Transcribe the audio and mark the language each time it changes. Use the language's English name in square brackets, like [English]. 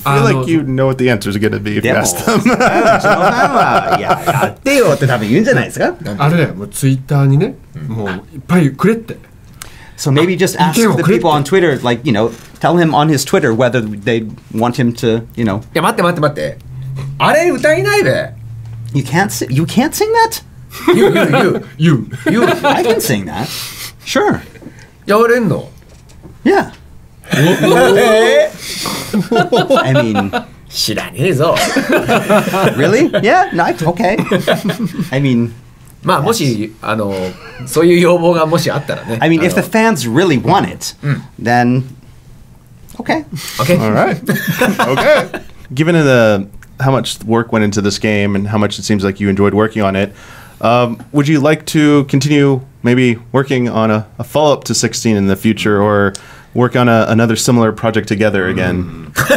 [English] I feel like you know what the answer is going to be if you ask them. Yeah, yeah, yeah, yeah, yeah, yeah, yeah, yeah, yeah, yeah, yeah, yeah, yeah, yeah, yeah, yeah, yeah, yeah. So maybe just ask the people on Twitter, like, you know, tell him on his Twitter whether they want him to, you know. [Japanese] いや、待って、待って、待って。あれ、歌えないで。 [English] You can't sing that? You. I can sing that. Sure. [Japanese] やれんの? [English] Yeah. I mean... [Japanese] 知らねえぞ。 [English] Really? Yeah? No, okay. I mean... [Japanese] まあ、もし、あの、そういう要望がもしあったらね。 [English] I mean, if the fans really want it, then... Okay. Okay. All right. Okay. Given how much work went into this game and how much it seems like you enjoyed working on it, would you like to continue maybe working on a follow-up to 16 in the future or work on another similar project together again?